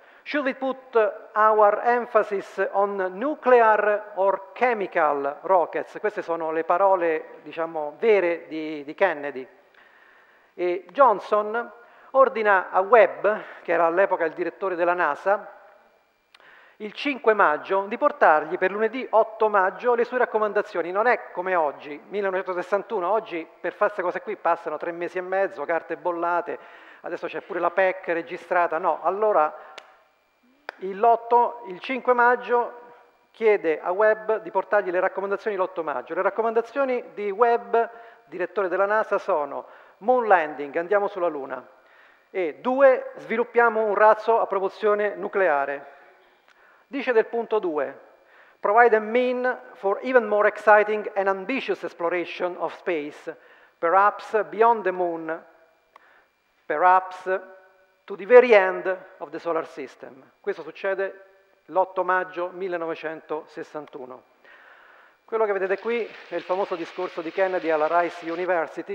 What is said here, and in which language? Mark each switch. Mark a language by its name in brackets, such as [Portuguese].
[English] Should we put our emphasis on nuclear or chemical rockets? [Italian] Queste sono le parole, diciamo, vere di Kennedy. E Johnson ordina a Webb, che era all'epoca il direttore della NASA, il 5 maggio di portargli per lunedì 8 maggio le sue raccomandazioni. Non è come oggi, 1961, oggi per fare queste cose qui passano 3 mesi e mezzo, carte bollate, adesso c'è pure la PEC registrata, no, allora il 5 maggio chiede a Webb di portargli le raccomandazioni l'8 maggio. Le raccomandazioni di Webb, direttore della NASA, sono: [English] Moon Landing, [Italian] andiamo sulla Luna, e 2, sviluppiamo un razzo a propulsione nucleare. Dice del punto 2, [English] provide a mean for even more exciting and ambitious exploration of space, perhaps beyond the moon, perhaps to the very end of the solar system. [Italian] Questo succede l'8 maggio 1961. Quello che vedete qui è il famoso discorso di Kennedy alla Rice University.